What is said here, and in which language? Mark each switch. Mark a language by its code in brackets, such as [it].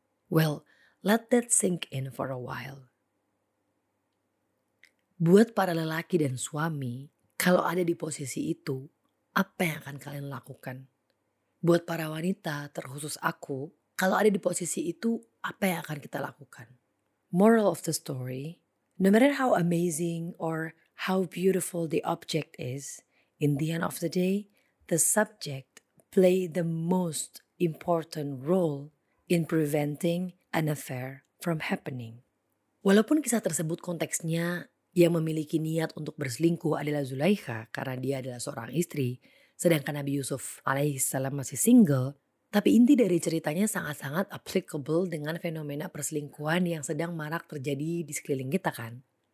[en] Well, let that sink in for a while. [id] Buat para lelaki dan suami, kalau ada di posisi itu, apa yang akan kalian lakukan? Buat para wanita, terkhusus aku, kalau ada di posisi itu, apa yang akan kita lakukan? [en] Moral of the story, no matter how amazing or how beautiful the object is, in the end of the day, the subject play the most important role in preventing an affair from happening. [id] Walaupun kisah tersebut konteksnya yang memiliki niat untuk berselingkuh adalah Zulaikha karena dia adalah seorang istri, sedangkan Nabi Yusuf alaihissalam masih single, tapi inti dari ceritanya sangat-sangat applicable dengan fenomena perselingkuhan yang sedang marak terjadi di sekeliling kita kan.